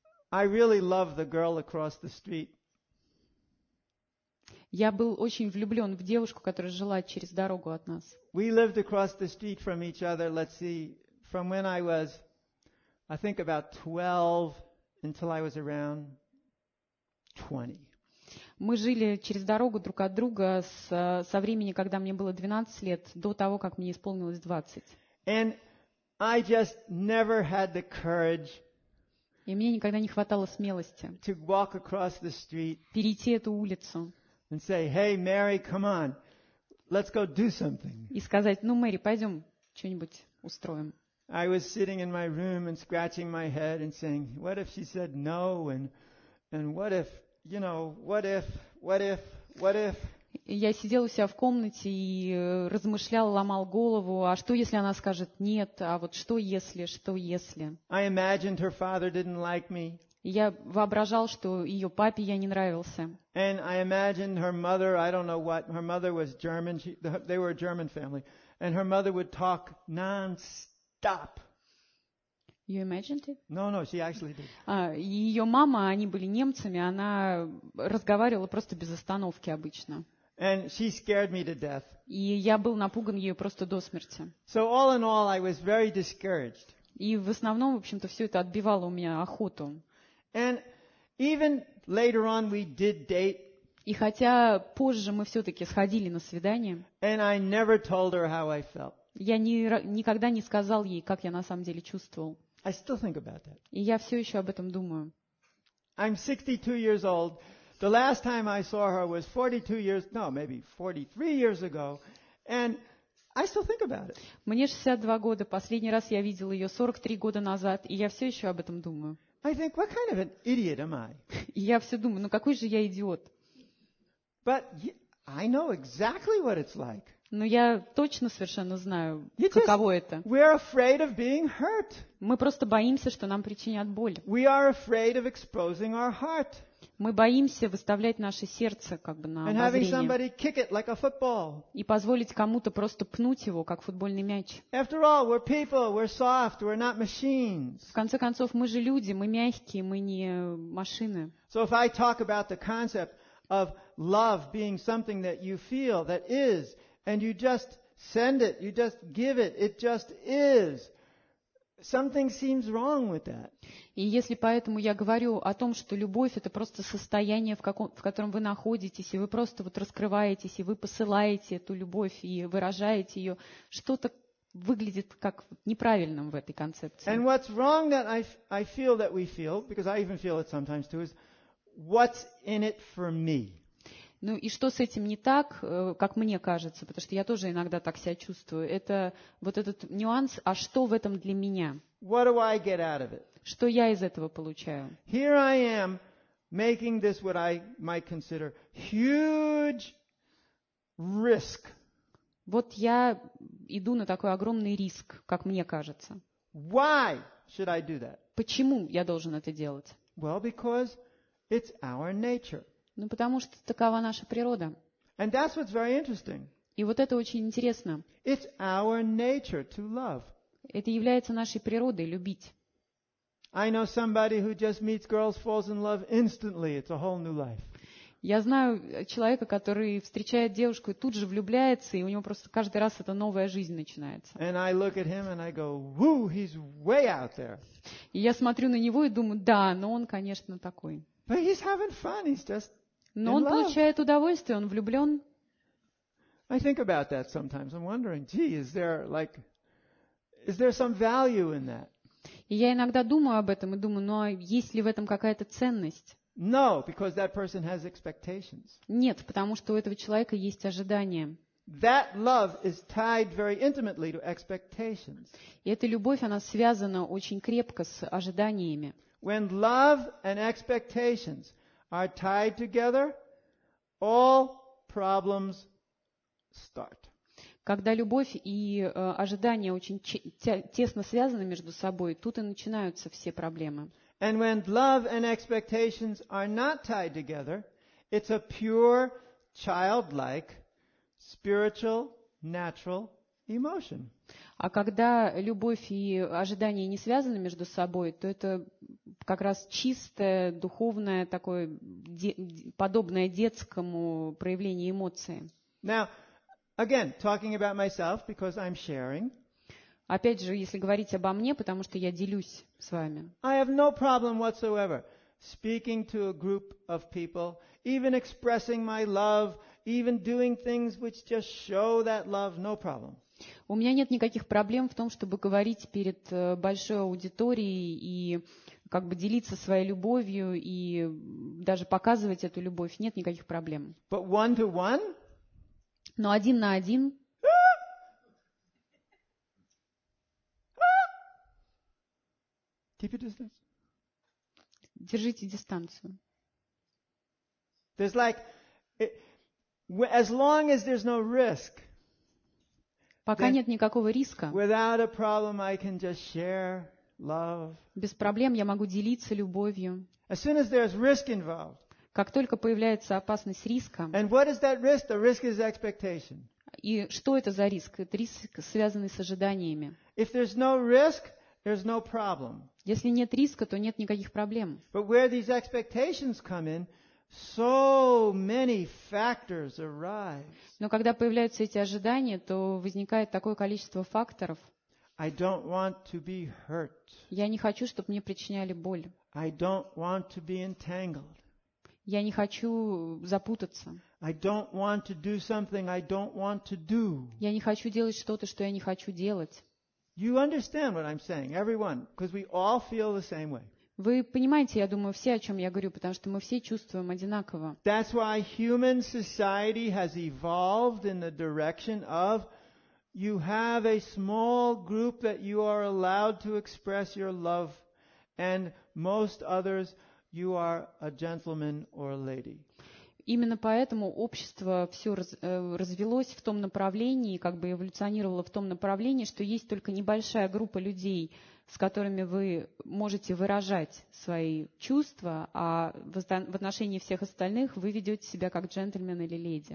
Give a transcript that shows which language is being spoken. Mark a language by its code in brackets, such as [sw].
[en] I really love the girl across the street. [ru] Я был очень влюблен в девушку, которая жила через дорогу от нас. [en] We lived across the street from each other, let's see, from when I was, I think about 12. Until I was around 20. [ru] Мы жили через дорогу друг от друга со времени, когда мне было 12 лет, до того, как мне исполнилось 20. [en] And I just never had the courage. [ru] И мне никогда не хватало смелости. [en] To walk across the street. [ru] Перейти эту улицу. [en] And say, "Hey, Mary, come on, let's go do something." [ru] И сказать: "Ну, Мэри, пойдем что-нибудь устроим." [en] I was sitting in my room and scratching my head and saying, what if she said no, and what if, you know, what if, what if, what if? [ru] Я сидел у себя в комнате и размышлял, ломал голову, а что если она скажет нет, а вот что если, что если? [en] I imagined her father didn't like me. [ru] Я воображал, что ее папе я не нравился. [en] And I imagined her mother, I don't know what, her mother was German, they were a German family, and her mother would talk nonstop. Stop. You imagined it? No, she actually did. [ru] Ее мама, они были немцами, она разговаривала просто без остановки обычно. [en] And she scared me to death. [ru] И я был напуган ее просто до смерти. [en] So all in all, I was very discouraged. [ru] И в основном, в общем-то, все это отбивало у меня охоту. [en] And even later on, we did date. [ru] И хотя позже мы все-таки сходили на свидание. [en] And I never told her how I felt. [ru] Я никогда не сказал ей, как я на самом деле чувствовал. [en] I still think about that. [ru] И я все еще об этом думаю. [en] I'm 62 years old. The last time I saw her was 42 years, no, maybe 43 years ago. And I still think about it. [ru] Мне 62 года. Последний раз я видел ее 43 года назад, и я все еще об этом думаю. [en] I think, what kind of an idiot am I? [ru] Я все думаю, ну какой же я идиот? [en] But I know exactly what it's like. [ru] Но я точно совершенно знаю, каково это. [en] We're afraid of being hurt. [ru] Мы просто боимся, что нам причинят боль. [en] We are afraid of exposing our heart. [ru] Мы боимся выставлять наше сердце как бы на обозрение. Like и позволить кому-то просто пнуть его, как футбольный мяч. [en] After all, we're people, we're soft, we're not machines. [ru] В конце концов, мы же люди, мы мягкие, мы не машины. [en] So if I talk about the concept of love being something that you feel, that is, and you just send it, you just give it, it just is. Something seems wrong with that. [ru] И если поэтому я говорю о том, что любовь — это просто состояние, в котором вы находитесь, и вы просто вот раскрываетесь, и вы посылаете эту любовь, и выражаете ее, что-то выглядит как неправильным в этой концепции. [en] And what's wrong that I feel that we feel, because I even feel it sometimes too, is what's in it for me? [ru] Ну и что с этим не так, как мне кажется, потому что я тоже иногда так себя чувствую, это вот этот нюанс, а что в этом для меня? [en] What do I get out of it? [ru] Что я из этого получаю? [en] Here I am making this what I might consider huge risk. [ru] Вот я иду на такой огромный риск, как мне кажется. [en] Why should I do that? [ru] Почему я должен это делать? [en] Well, because it's our nature. [ru] Ну, потому что такова наша природа. [en] And that's what's very interesting. [ru] И вот это очень интересно. [en] It's our nature to love. [ru] Это является нашей природой любить. Я знаю человека, который встречает девушку и тут же влюбляется, и у него просто каждый раз эта новая жизнь начинается. И я смотрю на него и думаю, да, но он, конечно, такой. [en] But he's having fun. He's just... [ru] Но он получает удовольствие, он влюблен. [en] I think about that sometimes. I'm wondering, gee, is there some value in that? [ru] И я иногда думаю об этом и думаю, ну а есть ли в этом какая-то ценность? [en] No, because that person has expectations. [ru] Нет, потому что у этого человека есть ожидания. [en] That love is tied very intimately to expectations. [ru] И эта любовь, она связана очень крепко с ожиданиями. [en] When love and expectations are tied together, all problems start. [ru] Когда любовь и ожидания очень тесно связаны между собой, тут и начинаются все проблемы. [en] And when love and expectations are not tied together, it's a pure, childlike, spiritual, natural emotion. [ru] А когда любовь и ожидания не связаны между собой, то это как раз чистое, духовное, такое, подобное детскому проявлению эмоций. [en] Now, again, talking about myself, because I'm sharing. [ru] Опять же, если говорить обо мне, потому что я делюсь с вами. [en] I have no problem whatsoever speaking to a group of people, even expressing my love, even doing things which just show that love, no problem. [ru] У меня нет никаких проблем в том, чтобы говорить перед большой аудиторией и как бы делиться своей любовью и даже показывать эту любовь. Нет никаких проблем. [en] But one to one? [ru] Но один на один. [en] Keep your distance. [ru] Держите дистанцию. [en] There's like, as long as there's no risk, [ru] пока нет никакого риска, [en] without a problem I can just share love. [ru] Без проблем я могу делиться любовью. [en] As soon as there's risk involved. [ru] Как только появляется опасность риска. [en] And what is that risk? The risk is expectation. [ru] И что это за риск? Это риск, связанный с ожиданиями. [en] If there's no risk, there's no problem. [ru] Если нет риска, то нет никаких проблем. [en] But where these expectations come in, so many factors arise. [ru] Но когда появляются эти ожидания, то возникает такое количество факторов. [en] I don't want to be hurt. [ru] Я не хочу, чтобы мне причиняли боль. [en] I don't want to be entangled. [ru] Я не хочу запутаться. [en] I don't want to do something I don't want to do. [ru] Я не хочу делать что-то, что я не хочу делать. [en] You understand what I'm saying, everyone, because we all feel the same way. [ru] Вы понимаете, я думаю, все, о чем я говорю, потому что мы все чувствуем одинаково. [en] That's why human society has evolved in the direction of You have a small group that you are allowed to express your love, and most others you are a gentleman or a lady. [ru] Именно поэтому общество все развелось в том направлении, как бы эволюционировало в том направлении, что есть только небольшая группа людей, с которыми вы можете выражать свои чувства, а в отношении всех остальных вы ведете себя как джентльмен или леди.